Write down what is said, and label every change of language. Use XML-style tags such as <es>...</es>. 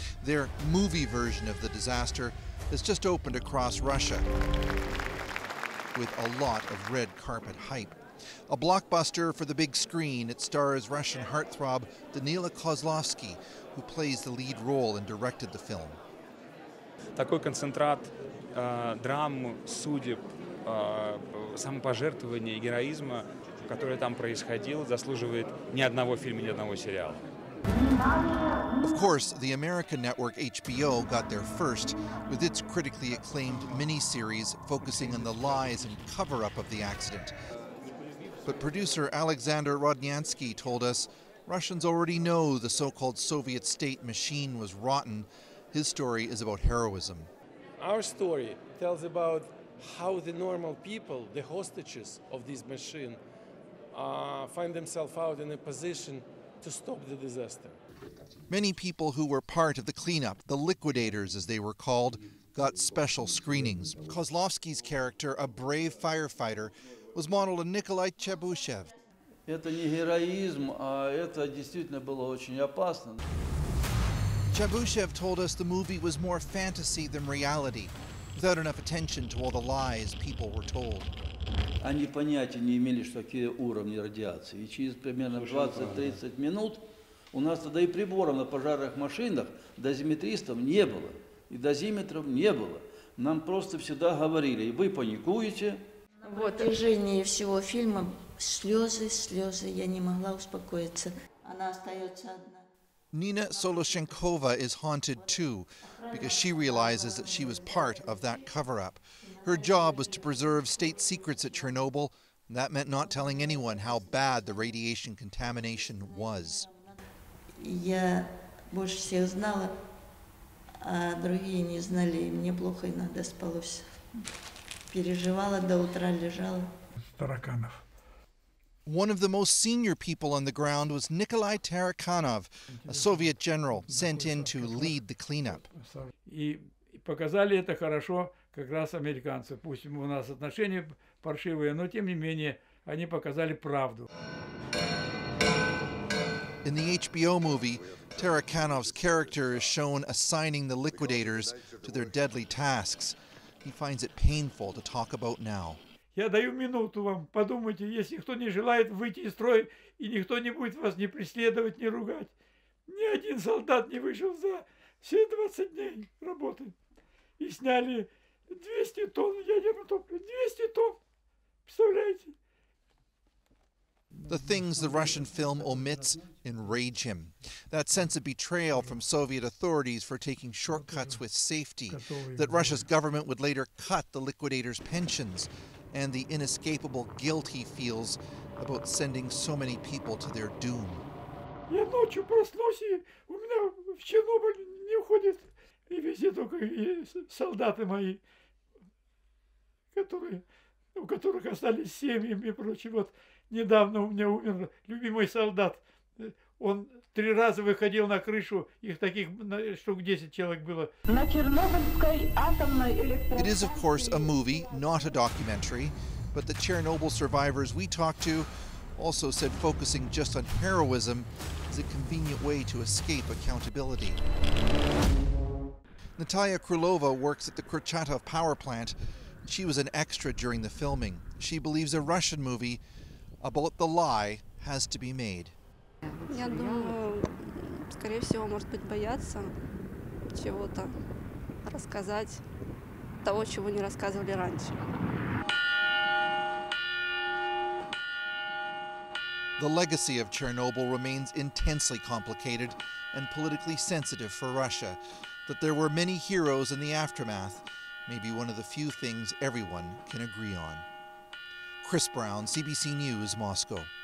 <en>Their movie version of the disaster has just opened across Russia with a lot of red carpet hype. A blockbuster for the big screen, it stars Russian heartthrob Danila Kozlovsky, who plays the lead role and directed the film.</en> <ru>Такой концентрат драмы, судеб, самопожертвования и героизма, которое там происходило, заслуживает ни одного фильма, ни одного сериала.</ru> <en>Of course, the American network HBO got there first with its critically acclaimed miniseries focusing on the lies and cover-up of the accident. But producer Alexander Rodnyansky told us Russians already know the so-called Soviet state machine was rotten. His story is about heroism. Our story tells about how the normal people, the hostages of this machine, find themselves out in a position to stop the disaster. Many people who were part of the cleanup, the liquidators as they were called, got special screenings. Kozlovsky's character, a brave firefighter, was modeled on Nikolai Chebyshev.</en> <ru>Это не героизм, а это действительно было очень опасно.</ru> <en>Chebyshev told us the movie was more fantasy than reality, without enough attention to all the lies people were told.</en> <ru>Они понятия не имели, что такие уровни радиации. И через примерно 20-30 минут у нас тогда и приборов на пожарных машинах дозиметристов не было. И дозиметров не было. Нам просто всегда говорили, вы паникуете. На протяжении всего фильма слезы, слезы, я не могла успокоиться. Она остается одна.</ru> <en>Nina Soloshenkova is haunted too, because she realizes that she was part of that cover-up. Her job was to preserve state secrets at Chernobyl, and that meant not telling anyone how bad the radiation contamination was.</en> <ru>Я больше всех знала, а другие не знали. Мне плохо иногда спалось. Переживала до утра лежала. Тараканов.</ru> <en>One of the most senior people on the ground was Nikolai Tarakanov, a Soviet general sent in to lead the cleanup.</en> <ru>И показали это хорошо как раз американцы. Пусть у нас отношения паршивые, но тем не менее они показали правду.</ru> <en>In the HBO movie, Tarakanov's character is shown assigning the liquidators to their deadly tasks. He finds it painful to talk about now.</en> <ru>Я даю минуту вам, подумайте, если никто не желает выйти из строя, и никто не будет вас ни преследовать, ни ругать. Ни один солдат не вышел за все 20 дней работы. И сняли 200 тонн ядерного топлива. 200 тонн! Представляете?</ru> <en>The things the Russian film omits enrage him. That sense of betrayal from Soviet authorities for taking shortcuts with safety, that Russia's government would later cut the liquidators' pensions, and the inescapable guilt he feels about sending so many people to their doom.</en> <ru>Я ночью проснулся, у меня в Чернобыль не уходит, и везде только солдаты мои, которые, у которых остались семьи и прочее. Вот недавно у меня умер любимый солдат, Он три раза выходил на крышу, их таких штук 10 человек было.</ru> <en>It is, of course, a movie, not a documentary, but the Chernobyl survivors we talked to also said focusing just on heroism is a convenient way to escape accountability. Natalia Krulova works at the Kurchatov power plant. She was an extra during the filming. She believes a Russian movie about the lie has to be made.</en> <ru>Я думаю, скорее всего, может быть, боятся чего-то рассказать, того, чего не рассказывали раньше.</ru> <en>The legacy of Chernobyl remains intensely complicated and politically sensitive for Russia. That there were many heroes in the aftermath may be one of the few things everyone can agree on. Chris Brown, CBC News, Moscow.</en>